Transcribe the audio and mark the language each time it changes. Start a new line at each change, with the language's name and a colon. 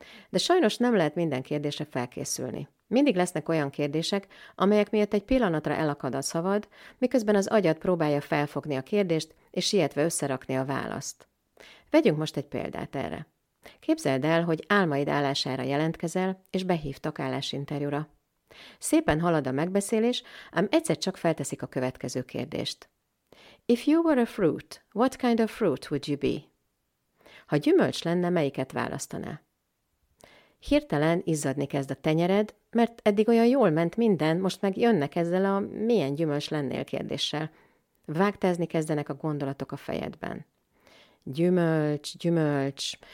Hungarian: De sajnos nem lehet minden kérdésre felkészülni. Mindig lesznek olyan kérdések, amelyek miatt egy pillanatra elakad a szavad, miközben az agyad próbálja felfogni a kérdést, és sietve összerakni a választ. Vegyünk most egy példát erre. Képzeld el, hogy álmaid állására jelentkezel, és behívtak állásinterjúra. Szépen halad a megbeszélés, ám egyszer csak felteszik a következő kérdést.
English: If you were a fruit, what kind of fruit would you be?
Hungarian: Ha gyümölcs lenne, melyiket választaná? Hirtelen izzadni kezd a tenyered, mert eddig olyan jól ment minden, most meg jönnek ezzel a milyen gyümölcs lennél kérdéssel. Vágtázni kezdenek a gondolatok a fejedben. Gyümölcs, gyümölcs.